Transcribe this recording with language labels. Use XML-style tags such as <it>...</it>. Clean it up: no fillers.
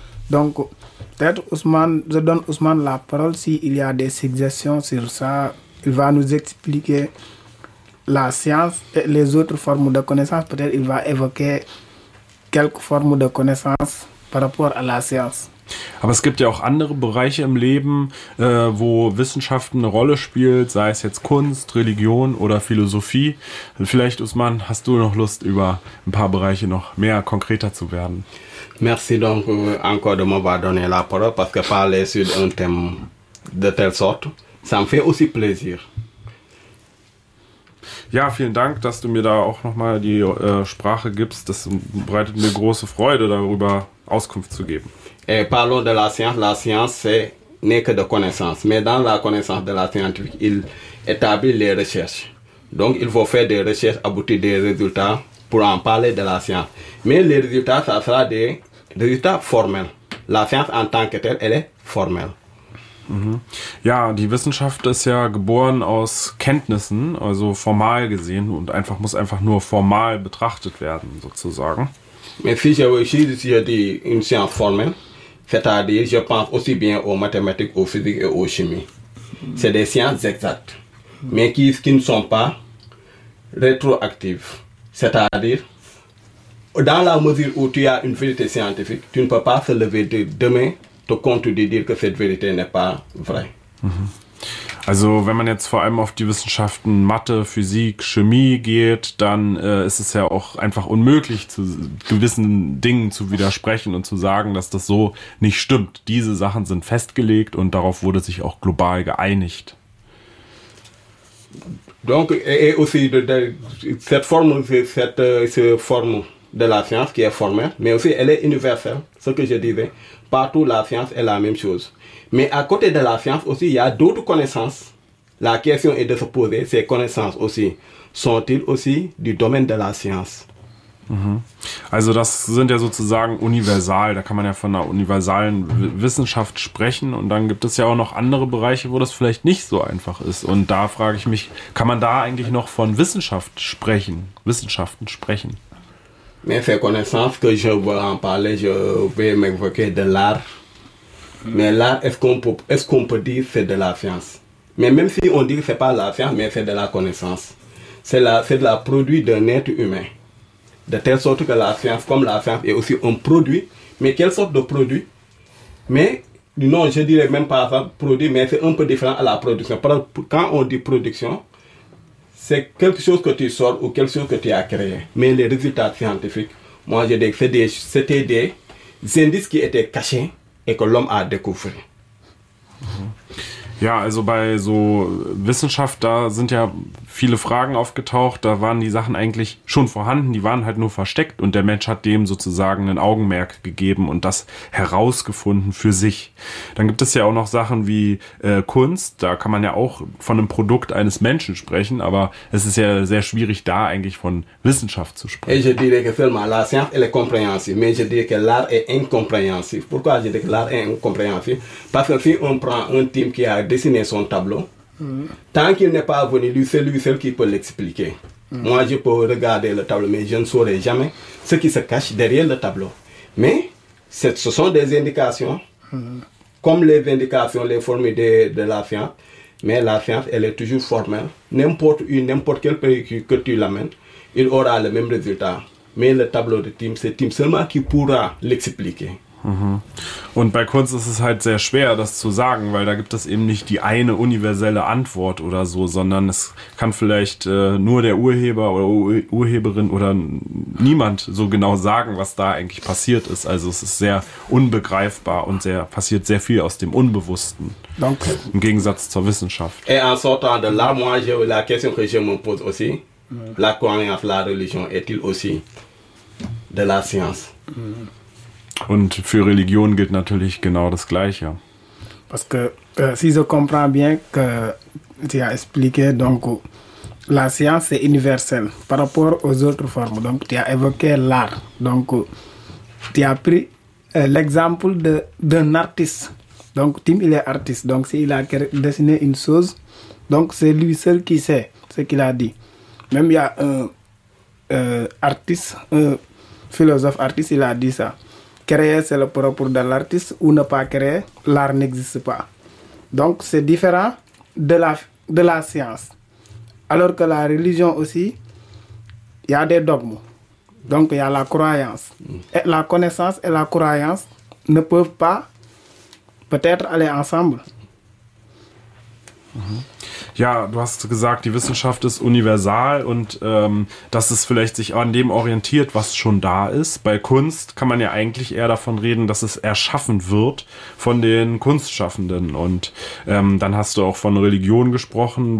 <fr>Donc, peut-être Ousmane, je donne Ousmane la parole s'il y a des suggestions sur ça. Il va nous expliquer la science et les autres formes de connaissances. Peut-être il va évoquer quelques formes de connaissances par rapport à la science.</fr> <de>Aber es gibt ja auch andere Bereiche im Leben, wo Wissenschaften eine Rolle spielt, sei es jetzt Kunst, Religion oder Philosophie. Vielleicht, Ousmane, hast du noch Lust, über ein paar Bereiche noch mehr konkreter zu werden?</de> <fr>Merci donc encore de m'avoir donné la parole, parce que parler sur un thème de telle sorte, ça me fait aussi plaisir.</fr> <de>Ja, vielen Dank, dass du mir da auch nochmal die Sprache gibst. Das bereitet mir große Freude, darüber Auskunft zu geben.</de> <fr>Et parlons de la science c'est n'est que de connaissance. Mais dans la connaissance de la scientifique, il établit les recherches. Donc il faut faire des recherches, aboutir des résultats pour en parler de la science. Mais les résultats, ça sera des résultats formels. La science en tant que telle, elle est formelle.</fr> <de>Ja, die Wissenschaft ist ja geboren aus Kenntnissen, also formal gesehen, und einfach muss einfach nur formal betrachtet werden, sozusagen.</de> <fr>Mais si je dis une science formelle, c'est-à-dire je pense aussi bien aux mathématiques, aux physiques et aux chimies. C'est des sciences exactes, mais qui ne sont pas rétroactives. C'est-à-dire, dans la mesure où tu as une vérité scientifique, tu ne peux pas se lever de demain te contredire dire que cette vérité n'est pas vraie.</fr> <de>Also wenn man jetzt vor allem auf die Wissenschaften Mathe, Physik, Chemie geht, dann ist es ja auch einfach unmöglich, zu gewissen Dingen zu widersprechen und zu sagen, dass das so nicht stimmt. Diese Sachen sind festgelegt und darauf wurde sich auch global geeinigt.</de> <fr>Donc, et aussi cette forme de la science qui est formelle, mais aussi elle est universelle, ce que je disais. Partout, la science est la même chose. Mais à côté de la science aussi, il y a d'autres connaissances. La question est de se poser, ces connaissances aussi, sont-ils aussi du domaine de la science?</fr> <de>Also das sind ja sozusagen universal, da kann man ja von einer universalen Wissenschaft sprechen und dann gibt es ja auch noch andere Bereiche, wo das vielleicht nicht so einfach ist und da frage ich mich, kann man da eigentlich noch von Wissenschaft sprechen, Wissenschaften sprechen?</de> <fr>Mais ces connaissances que je veux en parler, je vais m'évoquer de l'art. Mais l'art, est-ce qu'on peut dire que c'est de la science? Mais même si on dit que ce n'est pas la science, mais c'est de la connaissance. C'est de la produit d'un être humain. De telle sorte que la science, comme la science, est aussi un produit. Mais quelle sorte de produit? Mais non, je dirais même pas ça, produit, mais c'est un peu différent à la production. Quand on dit production, c'est quelque chose que tu sors ou quelque chose que tu as créé. Mais les résultats scientifiques, moi je dis que c'était des indices qui étaient cachés et que l'homme a découvert.</fr> <de>Ja, also bei so Wissenschaft, da sind ja viele Fragen aufgetaucht, da waren die Sachen eigentlich schon vorhanden, die waren halt nur versteckt und der Mensch hat dem sozusagen ein Augenmerk gegeben und das herausgefunden für sich. Dann gibt es ja auch noch Sachen wie Kunst, da kann man ja auch von einem Produkt eines Menschen sprechen, aber es ist ja sehr schwierig, da eigentlich von Wissenschaft zu sprechen. Ich sage,</de> <fr>que seulement la science est compréhensive, mais je dis que l'art est incompréhensif. Pourquoi je dis que l'art est incompréhensif? Parce que si on prend un team qui a dessiné son tableau, tant qu'il n'est pas venu, lui, c'est lui seul qui peut l'expliquer. Moi, je peux regarder le tableau, mais je ne saurais jamais ce qui se cache derrière le tableau. Mais ce sont des indications, comme les indications, les formes de la science. Mais la science, elle est toujours formelle. N'importe quel pays que tu l'amènes, il aura le même résultat. Mais le tableau de Tim, c'est Tim seulement qui pourra l'expliquer.</fr> <de>Und bei Kunst ist es halt sehr schwer, das zu sagen, weil da gibt es eben nicht die eine universelle Antwort oder so, sondern es kann vielleicht nur der Urheber oder Urheberin oder niemand so genau sagen, was da eigentlich passiert ist. Also es ist sehr unbegreifbar und passiert sehr viel aus dem Unbewussten. Danke. Im Gegensatz zur Wissenschaft.</de> <fr>Et en sortant de là, moi, j'ai la question que je me pose aussi. La croyance, la religion est-il aussi de la science?</fr> <de>Und für Religion gilt natürlich genau das Gleiche.</de> <fr>Parce que si je comprends bien que tu as expliqué, donc la science est universelle par rapport aux autres formes. Donc tu as évoqué l'art. Donc tu as pris l'exemple d'un artiste. Donc Tim, il est artiste. Donc s'il a dessiné une chose, donc c'est lui seul qui sait ce qu'il a dit. Même il y a un artiste, un philosophe artiste, il a dit ça. Créer, c'est le propre de l'artiste, ou ne pas créer, l'art n'existe pas. Donc, c'est différent de la science. Alors que la religion aussi, il y a des dogmes. Donc, il y a la croyance. Et la connaissance et la croyance ne peuvent pas peut-être aller ensemble.</fr> <de>Ja, du hast gesagt, die Wissenschaft ist universal und dass es vielleicht sich an dem orientiert, was schon da ist. Bei Kunst kann man ja eigentlich eher davon reden, dass es erschaffen wird von den Kunstschaffenden. Und dann hast du auch von Religion gesprochen.</de>